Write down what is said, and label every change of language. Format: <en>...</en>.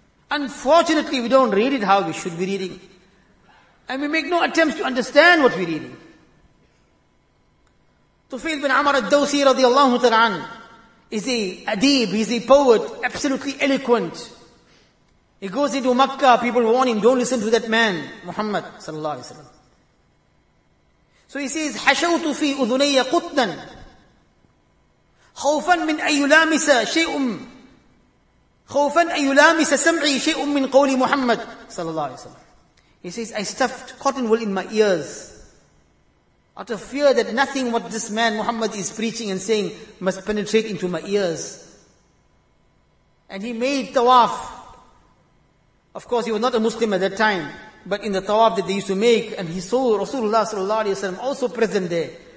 <en>Unfortunately, we don't read it how we should be reading. And we make no attempts to understand what we're reading. Tufail bin Amr al-Dawsi radiallahu ta'ala an, is a adib, he's a poet, absolutely eloquent. He goes into Makkah, people warn him, don't listen to that man, Muhammad sallallahu alayhi wa sallam. So he says,</en> <ar>حَشَوْتُ فِي أُذُنَيَّ قُطْنًا خَوْفًا مِنْ أَيُّلَامِسَ شَيْءٌ خَوْفًا أَيُّلَامِسَ سَمْعِي شَيْءٌ مِنْ قَوْلِ مُحَمَّدْ sallallahu alayhi wa sallam.</ar> <en>He says, I stuffed cotton wool in my ears out of fear that nothing what this man Muhammad is preaching and saying must penetrate into my ears. And he made tawaf. Of course, he was not a Muslim at that time, but in the tawaf that they used to make, and he saw Rasulullah sallallahu alayhi wa sallam also present there.</en>